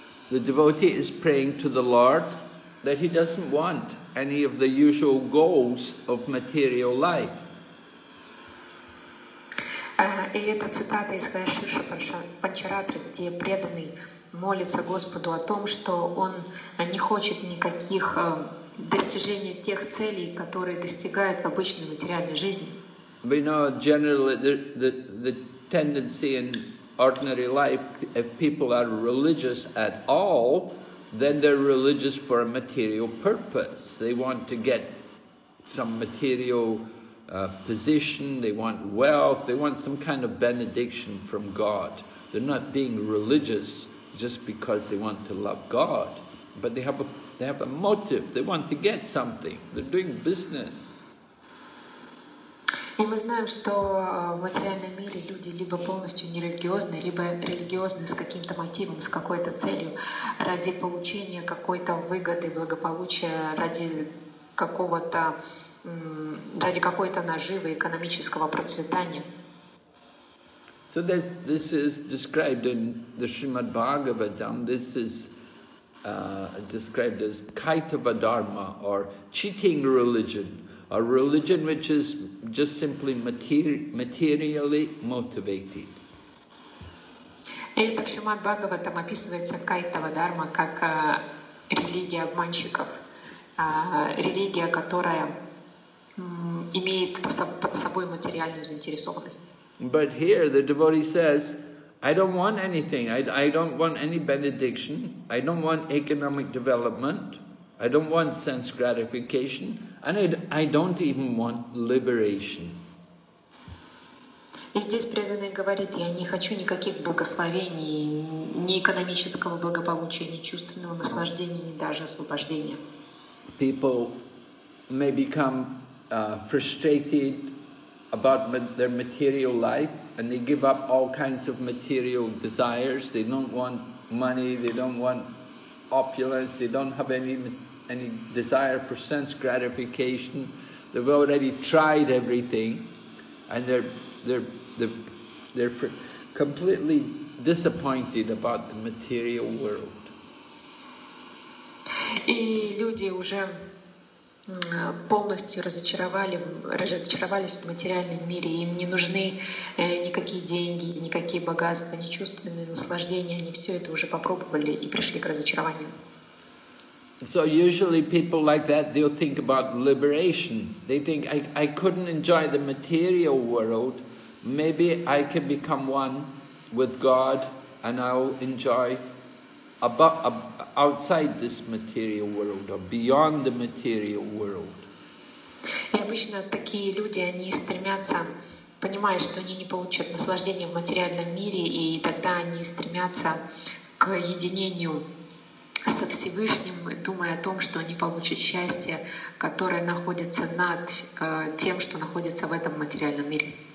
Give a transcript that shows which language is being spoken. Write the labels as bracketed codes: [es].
[en] The devotee is praying to the Lord that he doesn't want any of the usual goals of material life. [ru] И это цитата из Хайшиша Панчаратры, где преданный молится Господу о том, что он не хочет никаких достижений тех целей, которые достигают в обычной материальной жизни. [en] We know generally the tendency in ordinary life, if people are religious at all, then they're religious for a material purpose. They want to get some material position, they want wealth, they want some kind of benediction from God. They're not being religious just because they want to love God, but they have a motive, they want to get something, they're doing business. [ru] И мы знаем, что в материальном мире люди либо полностью нерелигиозны, либо религиозны с каким-то мотивом, с какой-то целью, ради получения какой-то выгоды, благополучия, ради какой-то наживы, экономического процветания. [en] So this is described in the Srimad Bhagavatam. This is described as Kaitava Dharma or cheating religion. A religion which is just simply materially motivated. [ru] Это в Шримад Бхагаватам описывается Кайтава Дарма как религия обманщиков, религия, которая имеет под собой материальную заинтересованность. [en] But here the devotee says, I don't want anything, I don't want any benediction, I don't want economic development, I don't want sense gratification, and I don't even want liberation. [ru] И здесь преданный говорит, я не хочу никаких благословений, ни экономического благополучия, ни чувственного наслаждения, ни даже освобождения. [en] People may become frustrated about their material life, and they give up all kinds of material desires. They don't want money, they don't want opulence, they don't have any desire for sense gratification. They've already tried everything, and they're completely disappointed about the material world. [ru] И люди уже полностью разочаровались в материальном мире. Им не нужны никакие деньги, никакие богатства, ни чувственные наслаждения. Они все это уже попробовали и пришли к разочарованию. [en] So usually people like that, they'll think about liberation. They think, I couldn't enjoy the material world maybe I can become one with God and I'll enjoy outside this material world or beyond the material world. [ru] И обычно такие люди, они стремятся, понимая, что они не получат наслаждения в материальном мире, и тогда они стремятся к единению со Всевышним, думая о том, что они получат счастье, которое находится над тем, что находится в этом материальном мире.